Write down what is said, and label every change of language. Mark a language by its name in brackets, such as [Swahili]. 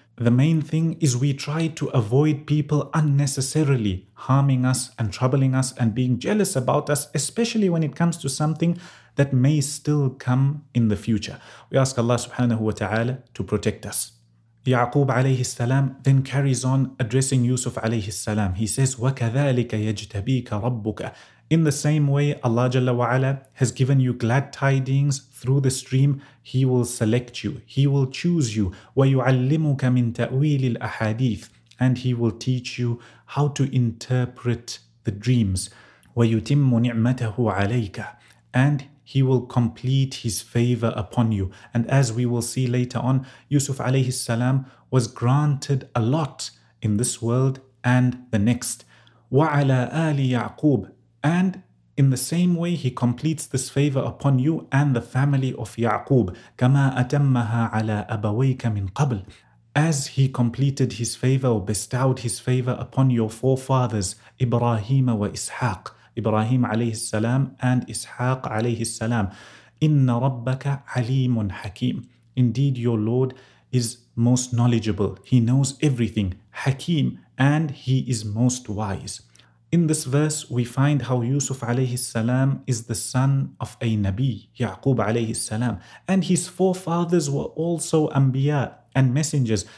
[English] The main thing is we try to avoid people unnecessarily harming us and troubling us and being jealous about us, especially when it comes to something that may still come in the future. We ask Allah subhanahu wa ta'ala to protect us. Ya'qub alayhi salam then carries on addressing Yusuf alayhi salam. He says, [Arabic] وَكَذَلِكَ يَجْتَبِيكَ رَبُّكَ. [English] In the same way, Allah Jalla wa'ala has given you glad tidings through the stream, He will select you, He will choose you. [Arabic] وَيُعَلِّمُكَ مِنْ تَأْوِيلِ الْأَحَادِيثِ. [English] And He will teach you how to interpret the dreams. [Arabic] وَيُتِمُّ نِعْمَتَهُ عَلَيْكَ. [English] And He will complete His favor upon you. And as we will see later on, Yusuf alayhi salam was granted a lot in this world and the next. [Arabic] وَعَلَىٰ آلِ يَعْقُوبِ. [English] And in the same way, He completes this favor upon you and the family of Ya'qub. [Arabic] كَمَا أَتَمَّهَا عَلَىٰ أَبَوَيْكَ مِنْ قَبْلِ. [English] As He completed His favor or bestowed His favor upon your forefathers, إبراهيم وإسحاق. [Arabic] إبراهيم عليه السلام [English] and [Arabic] إسحاق عليه السلام. إِنَّ رَبَّكَ عَلِيمٌ حَكِيمٌ. [English] Indeed, your Lord is most knowledgeable. He knows everything. حَكِيم. And He is most wise. In this verse, we find how Yusuf alayhi salam is the son of a Nabi, Ya'qub alayhi salam, and his forefathers were also Anbiya and messengers.